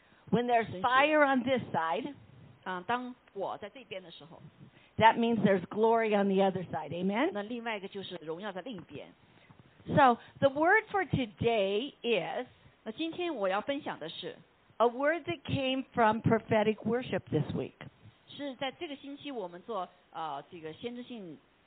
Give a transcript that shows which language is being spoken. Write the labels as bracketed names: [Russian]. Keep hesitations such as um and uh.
[English] when there's fire on this side, side， [Chinese] 啊、嗯，当我在这边的时候 [English] ，That means there's glory on the other side. Amen。 [Chinese] 那另外一个就是荣耀在另一边。 [English] So the word for today is， [Chinese] 那今天我要分享的是 [English] ，A word that came from prophetic worship this week。 [Chinese] 是在这个星期我们做呃这个先知性。